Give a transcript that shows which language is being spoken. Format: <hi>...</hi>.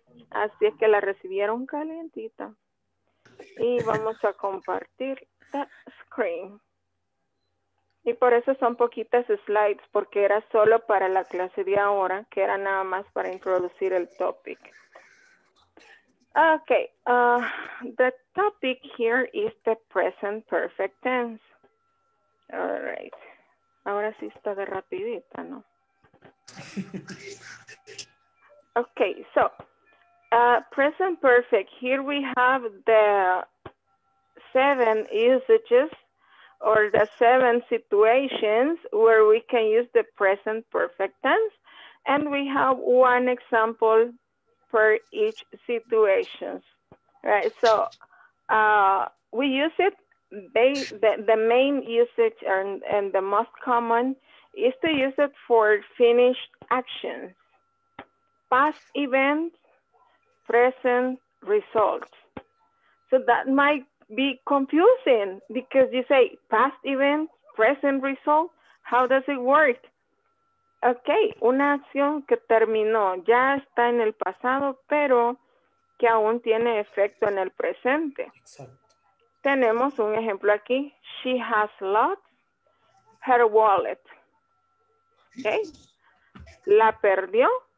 <es>Así es que la recibieron calientita. Y vamos a compartir</es> <en>the screen.</en> <es>Y por eso son poquitas slides, porque era solo para la clase de ahora, que era nada más para introducir el topic.</es> <en>Okay, the topic here is the present perfect tense. All right.</en> <es>Ahora sí está de rapidita, ¿no?</es> <en>Okay, so present perfect. Here we have the 7 usages. Or the 7 situations where we can use the present perfect tense. And we have one example per each situation. Right. So we use it. The main usage and the most common is to use it for finished actions. Past events, present results. So that might be confusing, because you say past event, present result, how does it work?</en> <es>Okay, una acción que terminó, ya está en el pasado, pero que aún tiene efecto en el presente. Exacto. Tenemos un ejemplo aquí.</es> <en>She has lost her wallet.</en> <es>Okay. La perdió.</es>